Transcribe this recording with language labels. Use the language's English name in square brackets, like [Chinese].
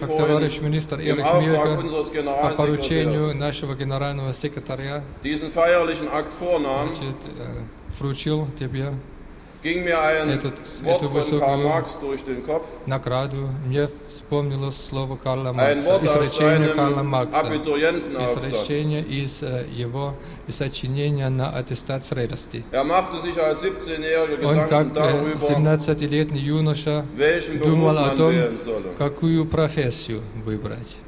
[Russian] как товарищ министр Эрих Мильке по поручению нашего генерального секретаря [German] diesen feierlichen Akt vornahm, [Russian] значит, вручил тебе [German] ging mir ein [Russian] этот, [German] Wort [Russian] эту высокую [German] von Karl Marx durch den Kopf, [Russian] награду. Мне вспомнилось слово Карла Маркса, изречение Карла Маркса, изречение из его сочинения на аттестат зрелости. Он как 17-летний юноша думал о том, какую профессию выбрать.